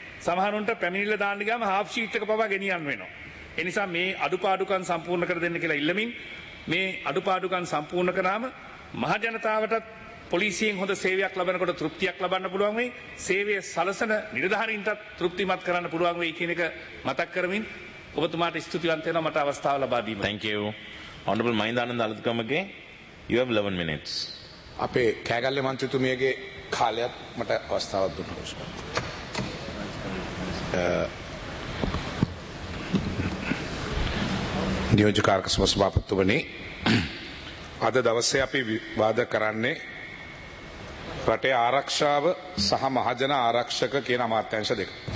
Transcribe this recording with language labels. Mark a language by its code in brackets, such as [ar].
[si] සමහරුන්ට පැමිණිල්ල දාන්න ගියාම හාෆ් ෂීට් එක පවා ගෙනියන්න වෙනවා. ඒ නිසා මේ අඩුපාඩුකම් සම්පූර්ණ කර දෙන්න කියලා ඉල්ලමින් මේ අඩුපාඩුකම් සම්පූර්ණ කරාම මහ ජනතාවටත් පොලිසියෙන් හොඳ සේවයක් ලැබෙනකොට තෘප්තියක් ලබන්න පුළුවන් වෙයි සේවයේ සලසන නිලධාරීන්ටත් තෘප්තිමත් කරන්න පුළුවන් වෙයි කියන එක මතක් කරමින් ඔබතුමාට ස්තුතිවන්ත වෙනවා මට අවස්ථාව ලබා දීම. [en] Thank you. Honorable Mahindanand Aluthukamage you have 11 minutes. [si] අපේ කෑගල්ලේ මන්ත්‍රීතුමියගේ කාලයක් මට අවස්ථාවක් දුන්නා. නියෝජකාරක සභාපතිතුමනි අද දවසේ අපි විවාද කරන්නේ රටේ ආරක්ෂාව සහ මහජන ආරක්ෂක කියන අමාත්‍යංශ දෙක.